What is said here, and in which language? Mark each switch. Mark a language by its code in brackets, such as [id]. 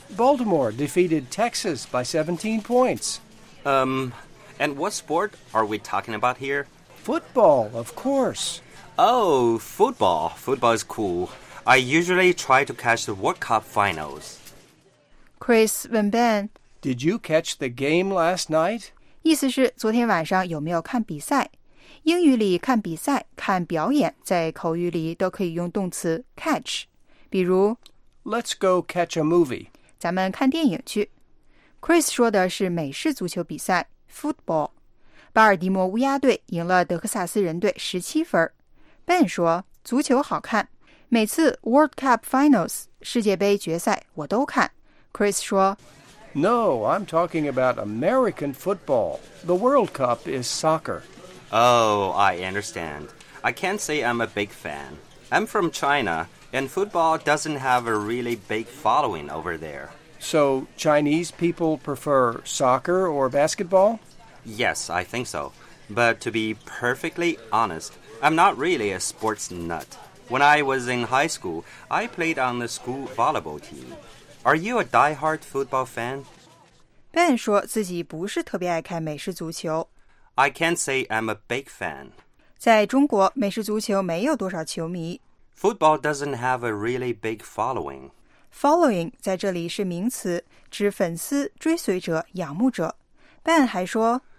[en] Baltimore defeated Texas by 17 points. And what sport are we talking about here? Football, of course. Oh, football. Football is cool. I usually try to catch the World Cup finals. [zh] Chris 问 Ben, [en] Did you catch the game last night? [zh] 意思是昨天晚上有没有看比赛。英语里看比赛、看表演在口语里都可以用动词 catch。比如 [en] Let's go catch a movie. [zh] 咱们看电影去。Chris 说的是美式足球比赛 ,football。巴尔的摩乌鸦队赢了德克萨斯人队17分。 Ben 说足球好看。每次 World Cup Finals, 世界杯决赛我都看。Chris 说 [en] No, I'm talking about American football. The World Cup is soccer. Oh, I understand. I can't say I'm a big fan. I'm from China. And football doesn't have a really big following over there. So Chinese people prefer soccer or basketball? Yes, I think so. But to be perfectly honest, I'm not really a sports nut. When I was in high school, I played on the school volleyball team. Are you a die-hard football fan? [zh] Ben 说自己不是特别爱看美式足球。 [en] I can't say I'm a big fan. [zh] 在中国，美式足球没有多少球迷。 [en] Football doesn't have a really big following. [zh] Following 在这里是名词，指粉丝、追随者、仰慕者。Ben 还说